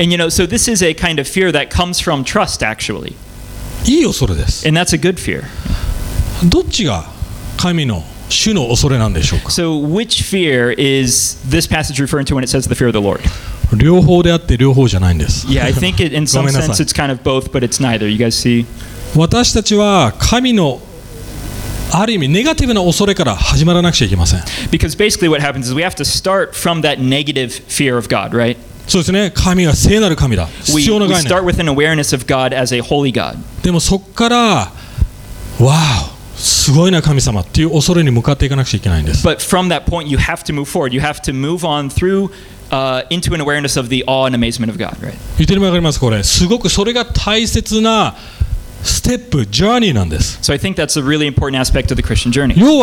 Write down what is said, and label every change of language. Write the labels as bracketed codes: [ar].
[en] And you know, so this is a kind of fear that comes from trust, actually. [ja] いい恐れです。 [en] And that's a good fear. [ja] どっちが神の、主の恐れなんでしょうか。 [en] So which fear is this passage referring to when it says the fear of the Lord? [ja] 両方であって両方じゃないんです。 [en] Yeah, I think in some sense it's kind of both, but it's neither. You guys see? [ja] 私たちは神の [en] Because basically what happens is we have to start from that negative fear of God, right? [ja] そうですね。神は聖なる神だ。必要な概念。 [en] We start with an awareness of God as a holy God. [ja] でもそこから、わあ、すごいな神様っていう恐れに向かっていかなくちゃいけないんです。 [en] But from that point you have to move forward. You have to move on through into an awareness of the awe and amazement of God, right? [ja] 言ってるのわかりますこれ。すごくそれが大切な [en] Step, journey [ja] なんです。 [en] So I think that's a really important aspect of the Christian journey.